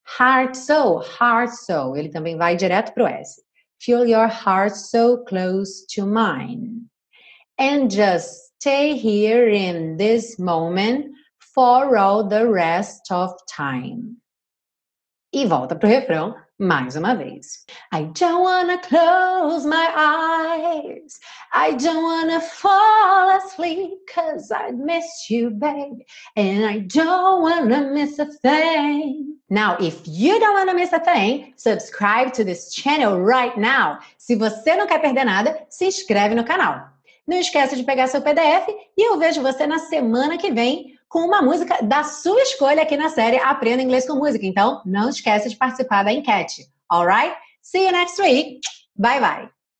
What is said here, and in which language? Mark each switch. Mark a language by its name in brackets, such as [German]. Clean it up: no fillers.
[English] Heart so, [Portuguese] ele também vai direto pro S. [English] Feel your heart so close to mine. and just stay here in this moment for all the rest of time. [Portuguese] E volta pro refrão mais uma vez. [English] I don't wanna close my eyes. I don't wanna fall asleep, 'cause I'd miss you, babe. And I don't wanna miss a thing. Now, if you don't wanna miss a thing, subscribe to this channel right now. [Portuguese] Se você não quer perder nada, se inscreve no canal. Não esquece de pegar seu PDF e eu vejo você na semana que vem com uma música da sua escolha aqui na série Aprenda Inglês com Música. Então, não esquece de participar da enquete. [English] Alright? See you next week. Bye, bye.